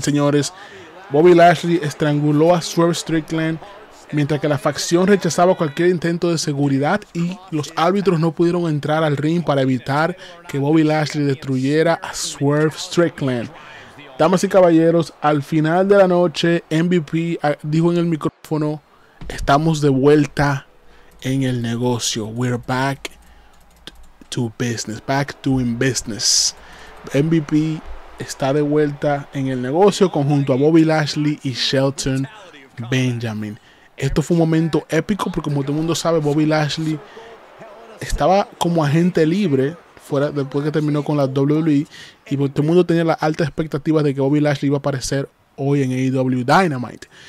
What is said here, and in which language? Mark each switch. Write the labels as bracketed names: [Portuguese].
[Spanish] Señores, Bobby Lashley estranguló a Swerve Strickland mientras que la facción rechazaba cualquier intento de seguridad y los árbitros no pudieron entrar al ring para evitar que Bobby Lashley destruyera a Swerve Strickland. Damas y caballeros, al final de la noche, MVP dijo en el micrófono: "Estamos de vuelta en el negocio. [English] We're back to business, back doing business." [Spanish] MVP está de vuelta en el negocio conjunto a Bobby Lashley y Shelton Benjamin. Esto fue un momento épico porque, como todo el mundo sabe, Bobby Lashley estaba como agente libre fuera, después que terminó con la WWE, y todo el mundo tenía las altas expectativas de que Bobby Lashley iba a aparecer hoy en AEW Dynamite.